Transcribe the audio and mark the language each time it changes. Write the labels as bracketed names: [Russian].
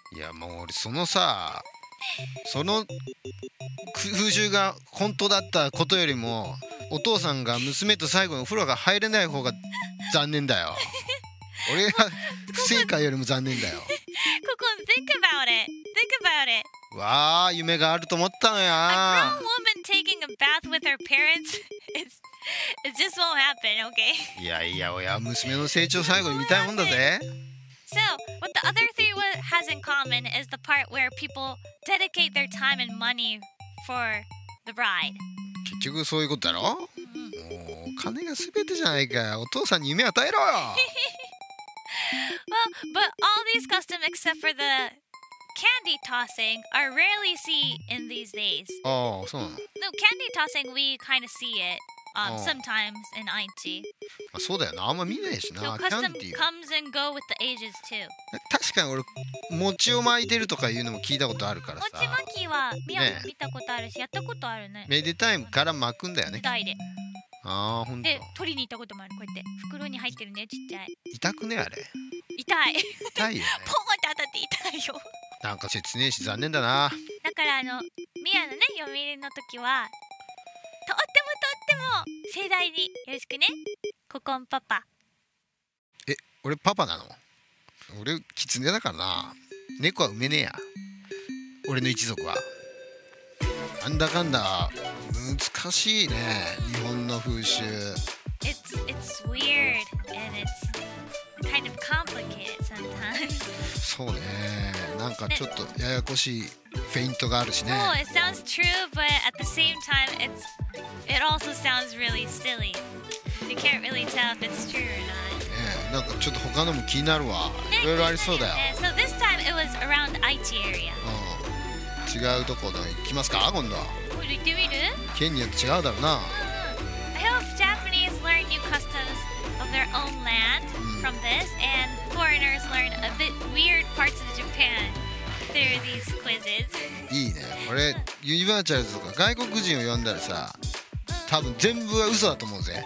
[Japanese] いやもう俺そのさ、その風習が本当だったことよりもお父さんが娘と最後のお風呂が入れない方が残念だよ。俺が不正解よりも残念だよ。ここ [English] think about it, think about it。 [Japanese] わあ、夢があると思ったのや。 [English] A grown woman taking a bath with her parents is... It just won't happen, okay? [Japanese] いやいや、おや、娘の成長最後に見たいもんだぜ。 [English] So, what the other three has in common is the part where people dedicate their time and money for the bride. [Japanese] 結局そういうことだろ？もう、金が全てじゃないか。お父さんに夢与えろよ。 [English] Well, but all these customs except for the candy tossing are rarely seen in these days. Oh, so [Japanese] なの? [English] No, candy tossing, we kind of see it sometimes in Aichi. [Japanese] そうだよな、あんま見ないしな、キャンディー。 [English] Custom comes and go with the ages too. [Japanese] 確かに俺、餅を巻いてるとかいうのも聞いたことあるからさ。餅巻きは見たことあるし、やったことあるね。めでたいから巻くんだよね。台で。ああ、ほんと。で、取りに行ったこともある、こうやって。袋に入ってるね、ちっちゃい。痛くね、あれ。痛い。痛いよ、ね。ポーンって当たって痛いよ。なんか切ねえし、残念だな。だから、あの、ミアのね、読売の時は、とってもとっても盛大によろしくね。ココンパパ。え、俺パパなの？俺、キツネだからな。猫は産めねえや。俺の一族は。なんだかんだ、難しいね、日本の風習。 [English] It's weird and it's kind of complicated sometimes. [Japanese] そうね、なんかちょっとややこしいフェイントがあるしね。 [English] Oh, it sounds true, but at the same time, it also sounds really silly. You can't really tell if it's true or not. [Japanese] ね、なんかちょっと他のも気になるわ。いろいろありそうだよ。 [English] So this time it was around Aichi area. [Japanese] 違うところ行きますか、今度は。行ってみる？県によって違うだろうな。 [English] I hope Japanese learn new customs of their own land from this, and foreigners learn a bit weird parts of Japan through these quizzes. [Japanese] いいね。これユニバーチャルズとか外国人を呼んだらさ、多分全部は嘘だと思うぜ。